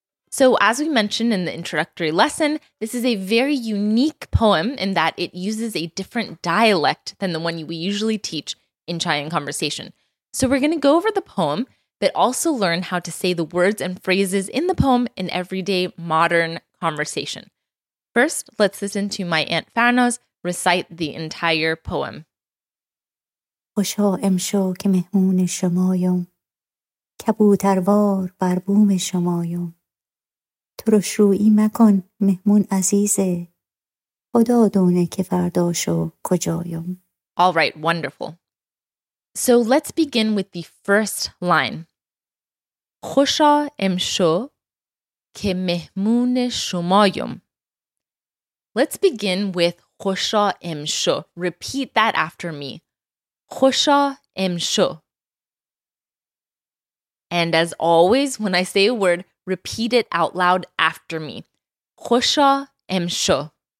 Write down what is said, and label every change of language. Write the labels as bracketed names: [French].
[English] So as we mentioned in the introductory lesson, this is a very unique poem in that it uses a different dialect than the one we usually teach in Chai and Conversation. So we're going to go over the poem, but also learn how to say the words and phrases in the poem in everyday modern conversation. First, let's listen to my Aunt Farnaz recite the entire poem. [Persian] خوشا امشو که مهمون شمایم کبوتروار بر بوم شمایم ترش رویی مکن مهمون عزیزه خدا دونه که فرداشو کجایم. [English] All right, wonderful. So let's begin with the first line. [Persian] خوشا امشو که مهمون شمایم. [English] Let's begin with [Persian] خوشا امشو. [English] Repeat that after me. [Persian] خوشا امشو. [English] And as always, when I say a word, repeat it out loud after me. [Persian] خوشا امشو.